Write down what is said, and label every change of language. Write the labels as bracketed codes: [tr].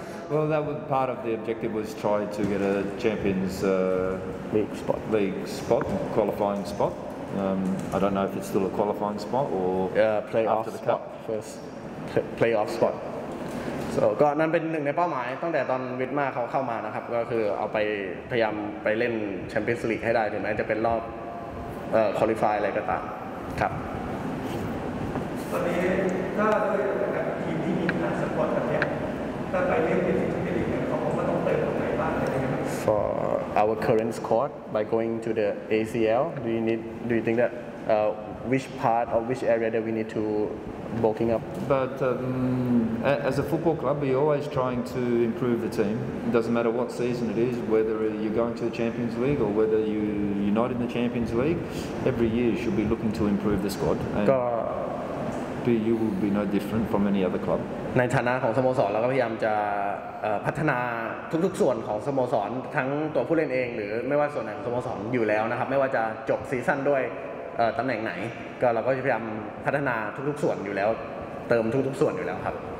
[en] Well, that was part of the objective was try to get a Champions League spot. League spot, qualifying spot. I don't know if it's still a qualifying spot or playoff after the spot. Cup. First playoff spot. [th] So, ก็นั่นเป็นหนึ่งในเป้าหมายตั้งแต่ตอนวิทมาเขาเข้ามานะครับก็คือเอาไปพยายามไปเล่นแชมเปี้ยนส์ลีกให้ได้ถึงแม้จะเป็นรอบคอลิฟายอะไรก็ตามครับ ตอนนี้ถ้าด้วยกับทีมที่มีฐานสปอร์ตแบบนี้ถ้าไปเล่นในแชมเปี้ยนส์ลีกเขาบอกว่าต้องเติมตรงไหนบ้าง [en] For our current squad by going to the ACL do you think that which part or which area that we need to bulking up but as a football club we're always trying to improve the team it doesn't matter what season it is whether you're going to the Champions League or whether you're not in the Champions League every year you should be looking to improve the squad and you will be no different from any other club [th] ในฐานะของสโมสรเราก็พยายามจะพัฒนาทุกๆส่วนของสโมสรทั้งตัวผู้เล่นเองหรือไม่ว่าส่วนไหนของสโมสรอยู่แล้วนะครับไม่ว่าจะจบซีซั่นด้วยตำแหน่งไหนก็เราก็พยายามพัฒนาทุกๆส่วนอยู่แล้วเติมทุกๆส่วนอยู่แล้วครับ